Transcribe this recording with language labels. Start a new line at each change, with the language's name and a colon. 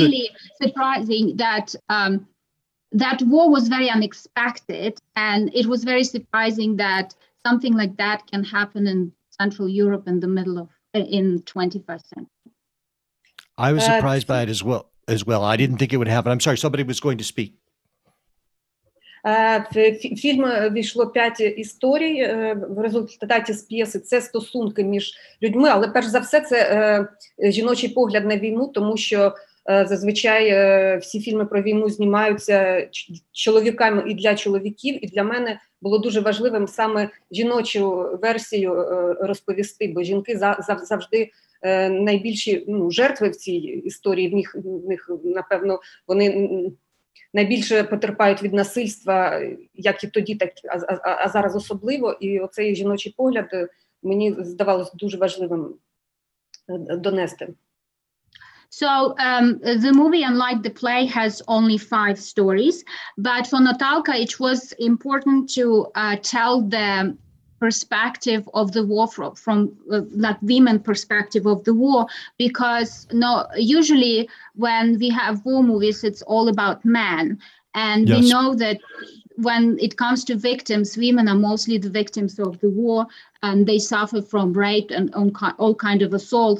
English: Really surprising that that war was very unexpected, and it was very surprising that something like that can happen in Central Europe in the middle of in 21st century. I was surprised by it as well. I didn't think it would happen. I'm sorry, somebody was going to speak.
Ukrainian: Фільм війшло 5 історій в результаті з п'єси. Це стосунки між людьми, але перш за все це жіночий погляд на війну, тому що зазвичай всі фільми про війну знімаються чоловіками і для чоловіків, і для мене було дуже важливим саме жіночу версію розповісти, бо жінки завжди найбільші жертви в цій історії, в них напевно, вони найбільше потерпають від насильства, як і тоді, так а зараз особливо. І оцей жіночий погляд мені здавалось дуже важливим донести.
English: So the movie, unlike the play, has only 5 stories, but for Natalka it was important to tell the perspective of the war from that women perspective of the war, because no, usually when we have war movies it's all about men, and yes, we know that when it comes to victims, women are mostly the victims of the war, and they suffer from rape and all kind of assault.